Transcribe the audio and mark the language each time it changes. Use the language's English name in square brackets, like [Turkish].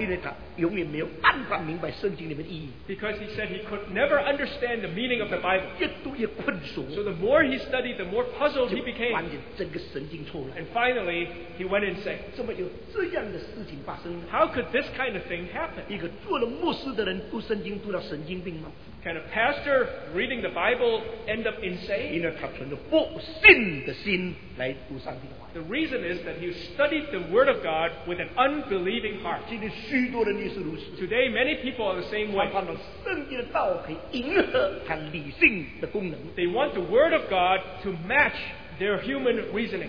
[Chinese] 因为他永远没有办法明白圣经里面的意义, [English] because he said he could never understand the meaning of the Bible. [Chinese] 越读越困熟, [English] so the more he studied, the more puzzled he became. And finally, he went insane. [Chinese] 怎么有这样的事情发生呢? [English] How could this kind of thing happen? [Chinese] 一个做了牧师的人读圣经读到神经病吗? [English] Can a pastor reading the Bible end up insane? The reason is that he studied the Word of God with an unbelieving heart. Today, many people are the same way. They want the Word of God to match their human reasoning.